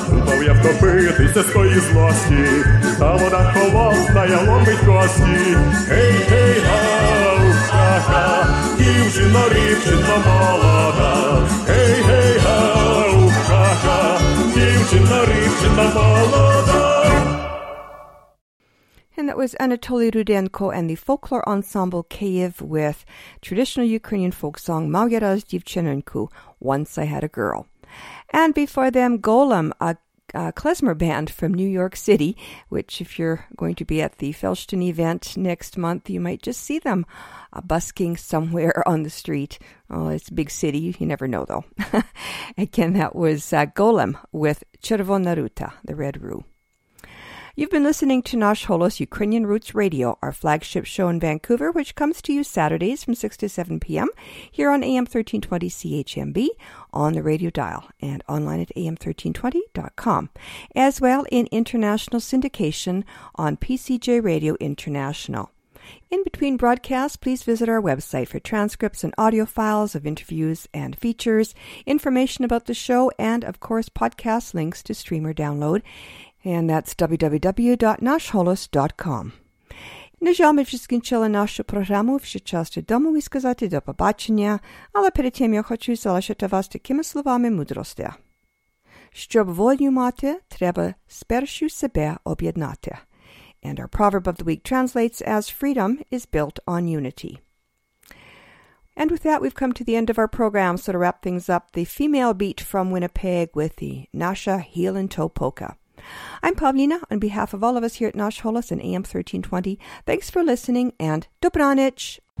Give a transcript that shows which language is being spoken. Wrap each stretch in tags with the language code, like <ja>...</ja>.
<uk>Мав я втопитися з тої злості, та вода холодна, я ломить кості. Гей, гей, гау, ха-ха, дівчина рівчина молода. Гей, гей, гау, ха-ха, дівчина рівчина молода.</uk> <en>And that was Anatoly Rudenko and the Folklore Ensemble Kyiv with traditional Ukrainian folk song Mav ya raz divchenenku, Once I Had a Girl. And before them, Golem, a klezmer band from New York City, which if you're going to be at the Felshtin event next month, you might just see them busking somewhere on the street. Oh, it's a big city. You never know, though. Again, that was Golem with Chervona Ruta, the Red Rue. You've been listening to Nashholos Ukrainian Roots Radio, our flagship show in Vancouver, which comes to you Saturdays from 6 to 7 p.m. here on AM 1320 CHMB on the radio dial and online at am1320.com, as well in international syndication on PCJ Radio International. In between broadcasts, please visit our website for transcripts and audio files of interviews and features, information about the show, and, of course, podcast links to stream or download. And that's www.nashholos.com.</en> <uk>На жаль, ми вже скінчили нашу програму. Вже час додому і сказати до побачення. Але перед тим я хочу залишити вас такими словами мудрості. Щоб волю мати, треба спершу себе об'єднати.</uk> <en>And our proverb of the week translates as freedom is built on unity. And with that, we've come to the end of our program. So to wrap things up, the female beat from Winnipeg with the Nasha Heel and Toe Polka. I'm Pavlina. On behalf of all of us here at Nashholos and AM 1320, thanks for listening and Dobranich!</en>